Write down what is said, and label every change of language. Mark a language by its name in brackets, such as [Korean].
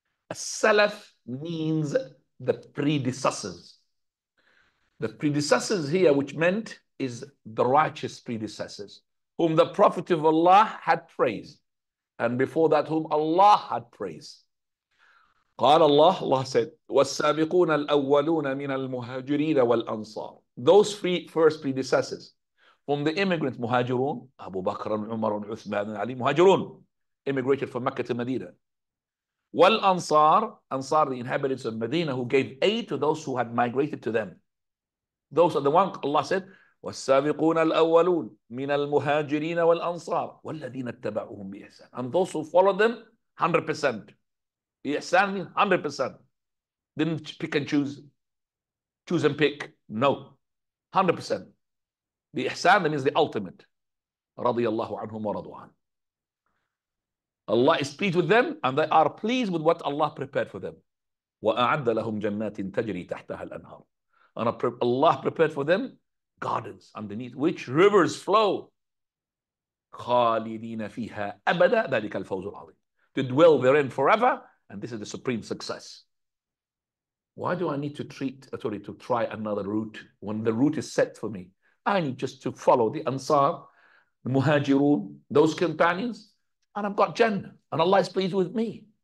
[English] A Salaf means the predecessors. The predecessors here, which meant is the righteous predecessors whom the Prophet of Allah had praised, and before that whom Allah had praised. [Arabic] قال الله, [English] Allah said, [Arabic] والسابقون الأولون من المهاجرين والأنصار. [English] Those three first predecessors from the immigrants, مهاجرون, [Arabic] أبو بكر عمر عثمان علي, [English] مهاجرون, immigrated from Mecca to Medina. والأنصار, Ansar, the inhabitants of Medina, who gave aid to those who had migrated to them. Those are the one Allah said, [Arabic] والسابقون الأولون من المهاجرين والأنصار والذين اتبعوهم بإحسان. [English] And those who followed them, 100%. بإحسان means 100%. Didn't pick and choose. Choose and pick. No. 100%. بإحسان means the ultimate. [Arabic] رضي الله عنهم ورضوا عنه. [English] Allah is pleased with them and they are pleased with what Allah prepared for them. [Arabic] وأعد لهم جنات تجري تحتها الأنهار. [English] And Allah prepared for them gardens underneath which rivers flow. [Arabic] خالدين فيها أبدا ذلك الفوز العظيم. [English] To dwell therein forever, and this is the supreme success. Why do I need to try another route when the route is set for me? I need just to follow the Ansar, the Muhajirun, those companions, and I've got Jannah, and Allah is pleased with me.